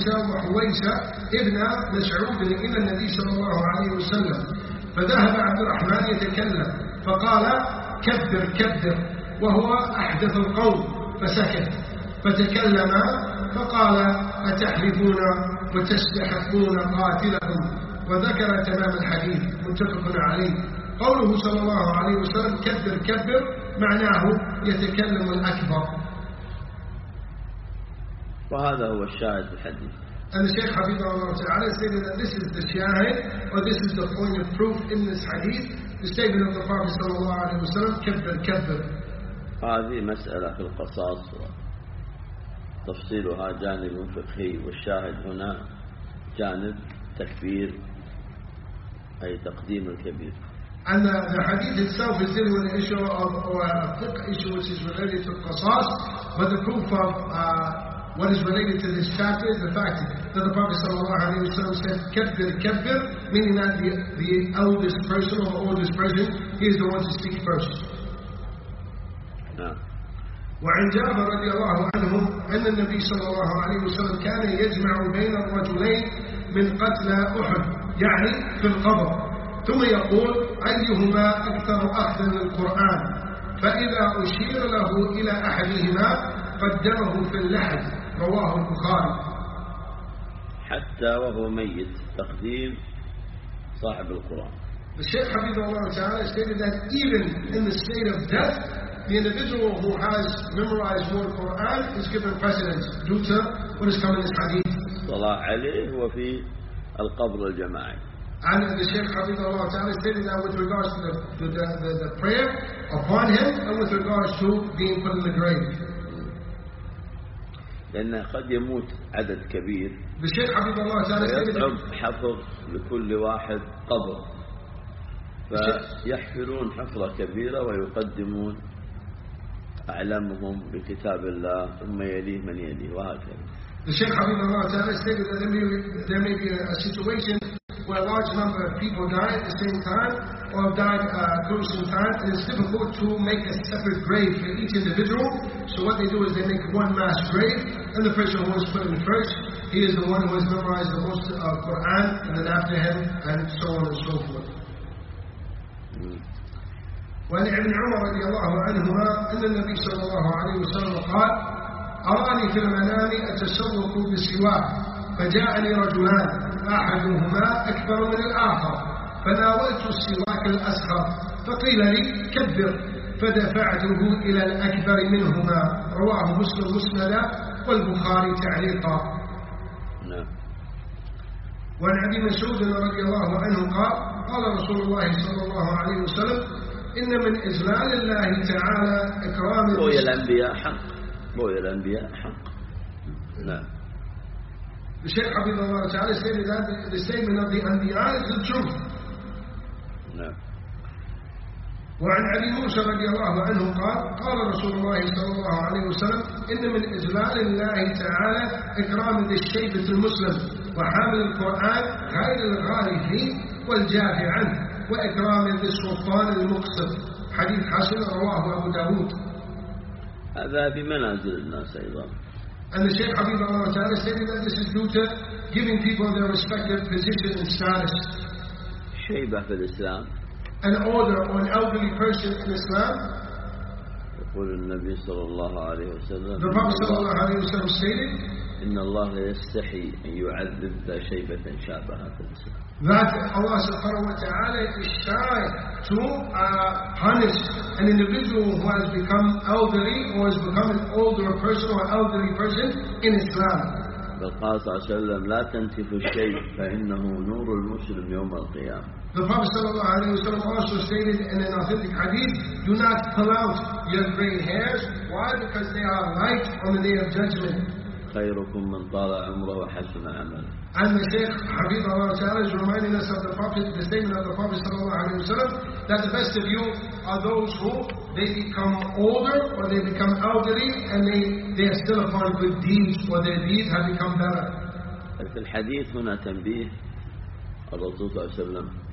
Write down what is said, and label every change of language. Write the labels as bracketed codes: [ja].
[ar] وحويس ابن مسعود إلى النبي صلى الله عليه وسلم فذهب عبد الرحمن يتكلم فقال كبر كبر وهو أحدث القول فسكت فتكلم فقال أتحلفون وتستحقون قاتلكم وذكر تمام الحديث متفق عليه. قوله صلى الله عليه وسلم كبر كبر معناه يتكلم الأكبر. وهذا هو الشاهد الحديث. [en] And the Shaykh Habib Allah Ta'ala stated that this is the shahid or this is the point of proof in this hadith, the statement of the Prophet صلى الله عليه وسلم [ar] كبر كبر. هذه مسألة في القصاص تفصيلها جانب فقهي، والشاهد هنا جانب تكبير أي تقديم الكبير. [en] And the hadith itself is dealing with an issue of fiqh issue which is related to qasas, but the proof of what is related to this chapter is the fact that the Prophet sallallahu alaihi wasallam said [ar] kabbir kabbir, [en] meaning that the eldest person or oldest person, he is the one to speak first. [ar] وعن جابر رضي الله عنه أن النبي صلى الله عليه وسلم كان يجمع بين الرجلين من قتل أحد يعني في القبر ثم يقول أيهما أكثر أخذا للقرآن فإذا أشير له إلى أحدهما قدمه في اللحد رواه البخاري. حتى وهو ميت تقديم صاحب القرآن. الشيخ حفظه الله تعالى [en] stated that even in the state of death the individual who has memorized more Quran is given precedence due to what is coming in hadith. [ar] صلاح عليه وفي القبر الجماعي. [en] And the Shaykh Habib Allah Ta'ala stated that with regards to the prayer upon him and with regards to being put in the grave. [ar] لأن قد يموت عدد كبير. [en] The Shaykh Habib Allah Ta'ala stated that [ar] حفظ لكل واحد قبر. فيحفرون حفرة كبيرة ويقدمون أعلمهم بكتاب الله ثم يليه من يليه وهكذا. [en] The Shaykh Habib Allah Ta'ala stated that there may be a situation where a large number of people die at the same time or died close in time, and it's difficult to make a separate grave for each individual. So what they do is they make one mass grave, and the person who is put in first, he is the one who has memorized the most of Quran, and then after him, and so on and so forth. [ar] وعن ابن عمر رضي الله عنهما أن النبي صلى الله عليه وسلم قال أراني في المنام أتسوق بسواك فجاءني رجلان أحدهما أكبر من الآخر فناولت السواك الأصغر فقيل لي كبر فدفعته إلى الأكبر منهما رواه مسلم مسندا والبخاري تعليقا. وعن أبي مسعود رضي الله عنه قال قال رسول الله صلى الله عليه وسلم إن من إجلال الله تعالى إكرام رؤيا الأنبياء حق رؤيا الأنبياء حق. نعم. الشيخ عبد الله تعالى [en] stated that the statement of the أنبياء is the truth. [ar] نعم. وعن أبي موسى رضي الله عنه قال قال رسول الله صلى الله عليه وسلم إن من إجلال الله تعالى إكرام ذي الشيبة المسلم وحامل القرآن غير الغالي فيه والجافع عنه وإكرام للسلطان المقصد حديث حسن رواه أبو داود. هذا بمنازل الناس أيضا. [en] And the Shaykh Habib Allah Ta'ala stated that this is due to giving people their respective position and status. [ar] شيبة في الإسلام. [en] An order or an elderly person in Islam. [ar] يقول النبي صلى الله عليه وسلم. [en] The Prophet صلى الله عليه وسلم stated. [ar] إن الله يستحي أن يعذب ذا شيبة شابهة في الإسلام. [en] That Allah subhanahu wa ta'ala is shy to punish an individual who has become elderly or has become an older person or elderly person in Islam. The Prophet sallallahu alayhi wa sallam, [ar] لا تنتف الشيء فإنه نور المسلم يوم القيامة. [en] The Prophet sallallahu alayhi wa sallam also stated in an authentic hadith, do not pull out your gray hairs. Why? Because they are light on the day of judgment. [ar] خيركم من طال عمره وحسن عمله. [en] And the Shaykh Habib Allah Ta'ala is reminding us of the Prophet, the statement of the Prophet sallallahu alayhi wa sallam, that the best of you are those who they become older or they become elderly and they are still upon good deeds or their deeds have become better. [ar] في الحديث هنا تنبيه الرسول صلى الله عليه وسلم.